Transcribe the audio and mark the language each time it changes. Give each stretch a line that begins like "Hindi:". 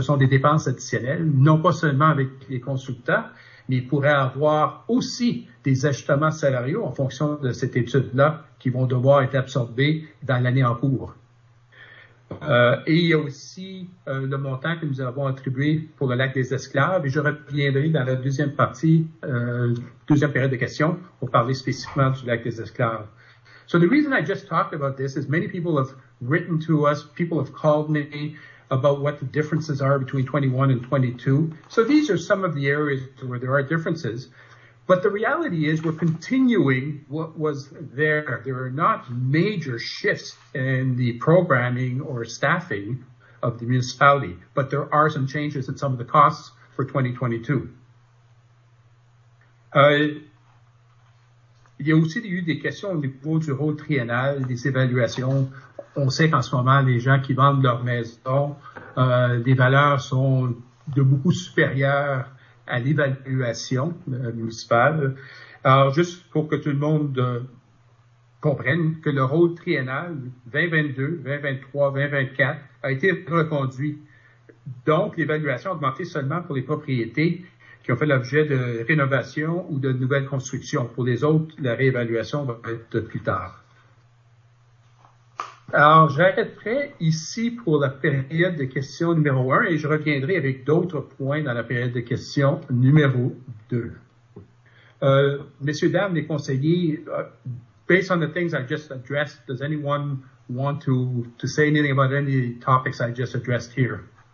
French: Ce sont des dépenses additionnelles, non pas seulement avec les consultants, mais il pourrait avoir aussi des ajustements salariaux en fonction de cette étude-là qui vont devoir être absorbés dans l'année en cours. Et il y a aussi le montant que nous avons attribué pour le lac des esclaves, et je reviendrai dans la deuxième partie, deuxième période de questions, pour parler spécifiquement du lac des esclaves.
English: So the reason I just talked about this is many people have written to us, people have called me about what the differences are between 21 and 22. So these are some of the areas where there are differences. But the reality is we're continuing what was there. There are not major shifts in the programming or staffing of the municipality, but there are some changes in some of the costs for 2022.
French: Il y a aussi eu des questions au niveau du rôle triennal, des évaluations. On sait qu'en ce moment, les gens qui vendent leur maison, les valeurs sont de beaucoup supérieures à l'évaluation municipale. Alors, juste pour que tout le monde comprenne que le rôle triennal 2022, 2023, 2024 a été reconduit. Donc, l'évaluation a augmenté seulement pour les propriétés qui ont fait l'objet de rénovation ou de nouvelles constructions. Pour les autres, la réévaluation va être plus tard. Alors, j'arrêterai ici pour la période de questions numéro 1 et je reviendrai avec d'autres points dans la période de questions numéro 2. Messieurs, dames, les conseillers,
English: based on the things I just addressed, does anyone want to say anything about any topics I just addressed here?